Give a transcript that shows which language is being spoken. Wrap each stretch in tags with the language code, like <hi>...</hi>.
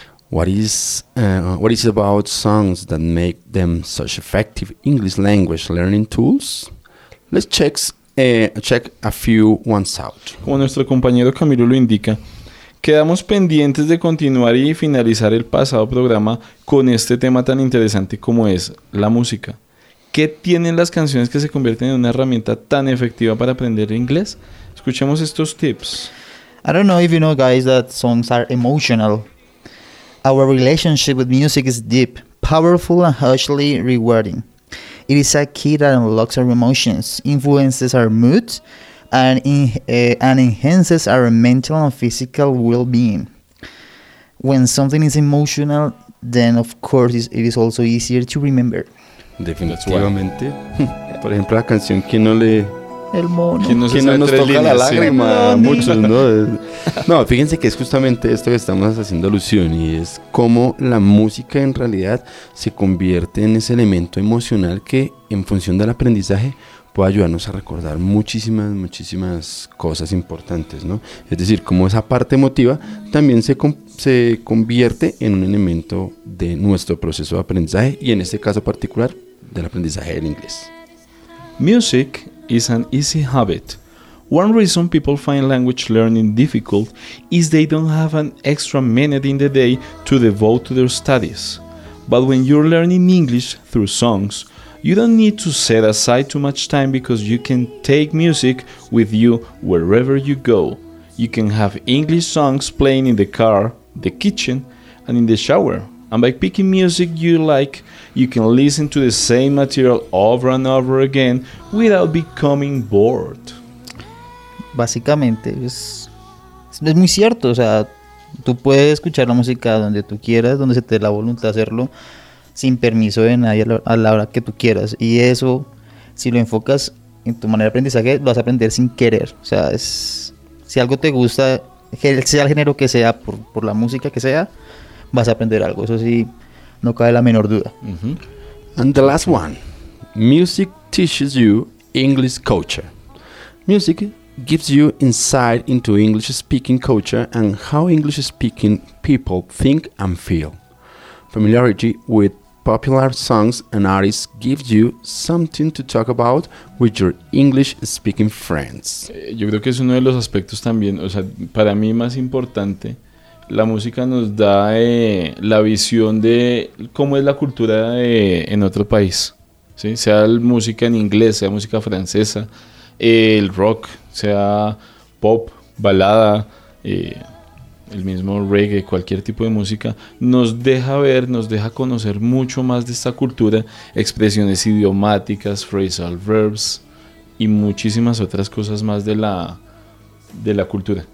<en>What is about songs that make them such effective English language learning tools? Let's check a few ones out.</en> <es>Como nuestro compañero Camilo lo indica, quedamos pendientes de continuar y finalizar el pasado programa con este tema tan interesante como es la música. ¿Qué tienen las canciones que se convierten en una herramienta tan efectiva para aprender inglés? Escuchemos estos tips.</es> <en>I don't know if you know, guys, that songs are emotional. Our relationship with music is deep, powerful, and harshly rewarding. It is a key that unlocks our emotions, influences our mood, and enhances our mental and physical well-being. When something is emotional, then of course it is also easier to remember.</en> <es>Definitivamente. Por ejemplo, la canción que no le... El mono. Que no, se no nos toca líneas, la lágrima sí. A muchos, ¿no? No, fíjense que es justamente esto que estamos haciendo alusión, y es cómo la música en realidad se convierte en ese elemento emocional que, en función del aprendizaje, puede ayudarnos a recordar muchísimas, muchísimas cosas importantes, ¿no? Es decir, cómo esa parte emotiva también se convierte en un elemento de nuestro proceso de aprendizaje, y en este caso particular, del aprendizaje del inglés.</es> <en>Music is an easy habit. One reason people find language learning difficult is they don't have an extra minute in the day to devote to their studies. But when you're learning English through songs, you don't need to set aside too much time because you can take music with you wherever you go. You can have English songs playing in the car, the kitchen, and in the shower. And by picking music you like, you can listen to the same material over and over again without becoming bored.</en> <es>Básicamente, es muy cierto. O sea, tú puedes escuchar la música donde tú quieras, donde se te dé la voluntad de hacerlo, sin permiso de nadie a la hora que tú quieras. Y eso, si lo enfocas en tu manera de aprendizaje, lo vas a aprender sin querer. O sea, si algo te gusta, sea el género que sea, por la música que sea, vas a aprender algo. Eso sí, no cabe la menor duda.</es> <en>Uh-huh. And the last one. Music teaches you English culture. Music gives you insight into English speaking culture and how English speaking people think and feel. Familiarity with popular songs and artists gives you something to talk about with your English speaking friends.</en> <es>Yo creo que es uno de los aspectos también, o sea, para mí más importante. La música nos da la visión de cómo es la cultura en otro país, ¿sí? Sea música en inglés, sea música francesa, el rock, sea pop, balada, el mismo reggae, cualquier tipo de música, nos deja ver, nos deja conocer mucho más de esta cultura, expresiones idiomáticas, phrasal verbs y muchísimas otras cosas más de la cultura.</es>